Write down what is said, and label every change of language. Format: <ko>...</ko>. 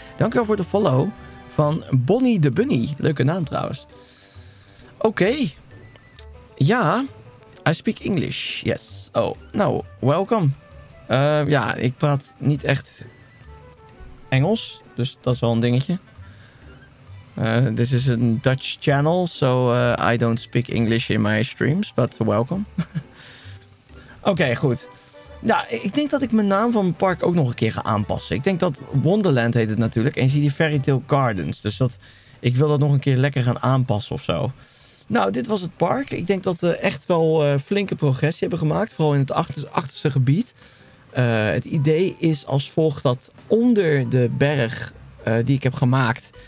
<nl>Dankjewel voor de follow van Bonnie de Bunny. Leuke naam trouwens. Oké. Okay. Ja.</nl> <en>I speak English. Yes.</en> <nl>Oh, nou,</nl> <en>welcome.</en> <nl>Ja, ik praat niet echt Engels. Dus dat is wel een dingetje.</nl> <en>This is a Dutch channel, so I don't speak English in my streams, but welcome.</en> <nl>Oké, goed. Ja, ik denk dat ik mijn naam van mijn park ook nog een keer ga aanpassen. Ik denk dat Wonderland heet het natuurlijk. En je ziet die Fairy Tale Gardens. Dus dat, ik wil dat nog een keer lekker gaan aanpassen of zo. Nou, dit was het park. Ik denk dat we echt wel flinke progressie hebben gemaakt. Vooral in het achterste gebied. Het idee is als volgt dat onder de berg die ik heb gemaakt...</nl>